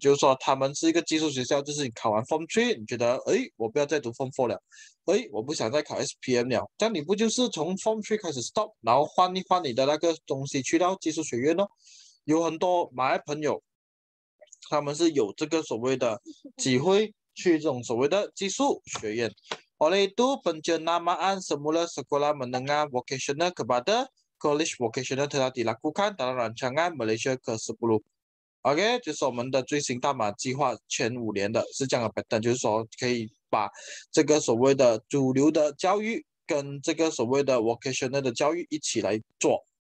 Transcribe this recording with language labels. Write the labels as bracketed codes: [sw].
[zh] 就是说他们是一个技术学校，就是你考完 Form 3, 你觉得哎，我不要再读 Form 4了，哎，我不想再考 SPM 了，这样你不就是从 Form 3开始 stop, 然后换一换你的那个东西去到技术学院咯。有很多马来朋友，他们是有这个所谓的机会去这种所谓的技术学院。 [ms] Oleh itu penjenamaan semula sekolah menengah vocational kepada college vocational telah dilakukan dalam rancangan Malaysia ke 10. [zh] OK, 就是我们的最新大马计划前五年的是这样的 pattern, 就是说可以把这个所谓的主流的教育跟这个所谓的 vocational 的教育一起来做。